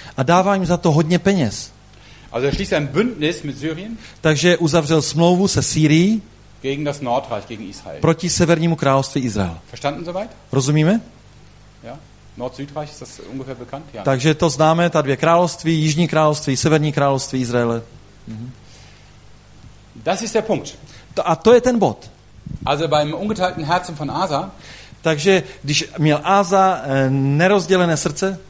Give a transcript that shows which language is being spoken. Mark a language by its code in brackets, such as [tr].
[cs] A dává jim za to hodně peněz. [de] Also er schließt ein Bündnis mit Syrien. [cs] Takže uzavřel smlouvu se Sýrií. [de] Gegen das Nordreich, gegen Israel. [cs] Proti severnímu království Izrael. [de] Verstanden soweit? [cs] Rozumíme? [de] Ja. Nord-Südreich ist das ungefähr bekannt, ja. [cs] Takže to známe, ta dvě království, jižní království, severní království Izraele. [de] Das ist der Punkt. [cs] A to je ten bod. [de] Also beim ungeteilten Herzen von Asa. [cs] Takže když měl Asa nerozdělené srdce.